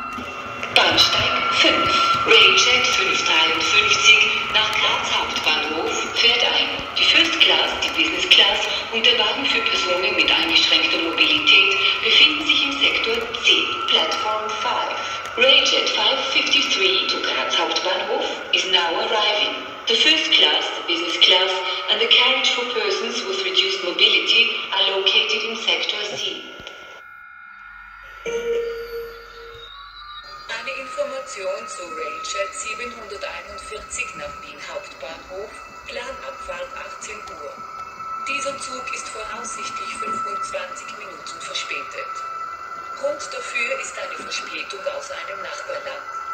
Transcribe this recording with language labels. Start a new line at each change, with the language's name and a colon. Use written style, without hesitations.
German: Gate 553 nach Graz Hauptbahnhof fährt ein. Die First Class, die Business Class und der Wagen für Personen mit eingeschränkter Mobilität befinden sich im Sektor C,
English: Platform 5. Railjet 553 to Graz Hauptbahnhof is now arriving. The First Class, the Business Class and the carriage for persons with reduced mobility are located in Sector C.
German: Eine Information zu Railjet 741 nach Wien Hauptbahnhof, Planabfahrt 18 Uhr. Dieser Zug ist voraussichtlich 25 Minuten verspätet. Grund dafür ist eine Verspätung aus einem Nachbarland.